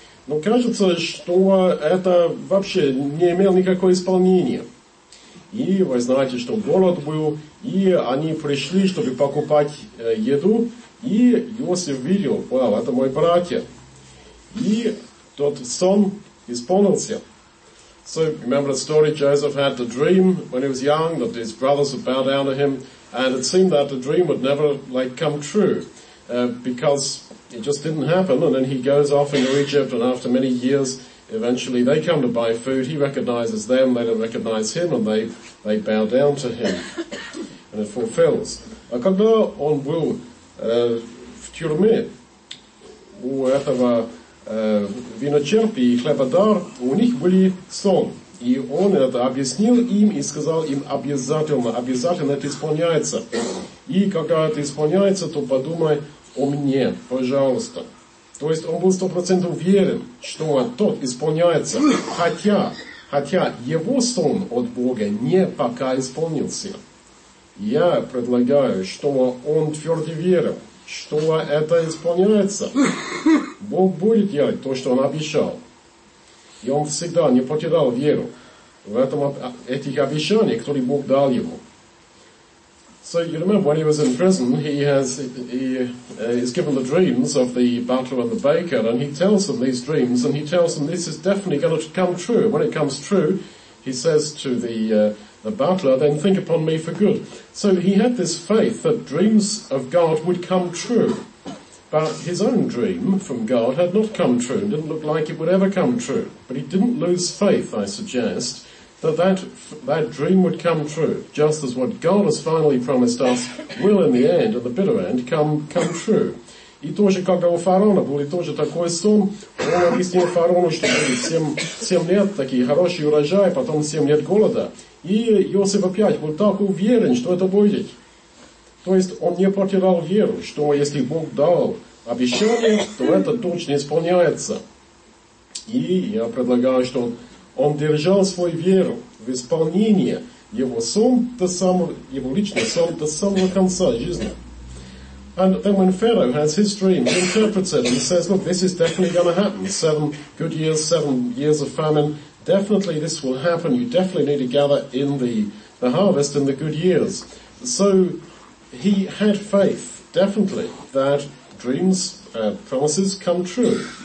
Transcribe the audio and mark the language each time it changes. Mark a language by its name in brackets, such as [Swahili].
[Russian] Но кажется, что это вообще не имело никакого исполнения. И вы знаете, что голод был, и они пришли, чтобы покупать еду, и Иосиф видел, вау, это мои братья. И тот сон исполнился. [English] So remember the story, Joseph had the dream when he was young, that his brothers would bow down to him, and it seemed that the dream would never like come true, because it just didn't happen, and then he goes off into Egypt, and after many years, eventually they come to buy food, he recognizes them, they don't recognize him, and they bow down to him, and it fulfills. [Russian] А когда он был в тюрьме, у этого виночерпи и хлебодар, у них были сон. И он это объяснил им и сказал им обязательно, обязательно это исполняется. И когда это исполняется, то подумай о мне, пожалуйста. То есть он был 100% уверен, что тот исполняется, хотя его сон от Бога не пока исполнился. Я предлагаю, что он твердо верил, что это исполняется. Бог будет делать то, что он обещал. И он всегда не потерял веру в этих обещаниях, которые Бог дал ему. [English] So you remember when he was in prison, he is given the dreams of the butler and the baker, and he tells them these dreams, and he tells them this is definitely going to come true. When it comes true, he says to the butler, then think upon me for good. So he had this faith that dreams of God would come true, but his own dream from God had not come true, and didn't look like it would ever come true. But he didn't lose faith, I suggest, that dream would come true, just as what God has finally promised us will in the end, at the bitter end, come true. [Russian] И тоже, когда у фараона был тоже такой сон, он объяснил фараону, что будет 7 лет такие хорошие урожаи, потом 7 лет голода. И Иосиф опять был так уверен, что это будет. То есть он не потерял веру, что если Бог дал обещание, то это точно исполняется. И я предлагаю, что он держал свою веру в исполнение его сон до самого, его личный сон до самого конца жизни. [English] And then when Pharaoh has his dream, he interprets it and says, look, this is definitely going to happen. 7 good years, 7 years of famine. Definitely this will happen. You definitely need to gather in the harvest in the good years. So he had faith, definitely, that dreams, promises come true.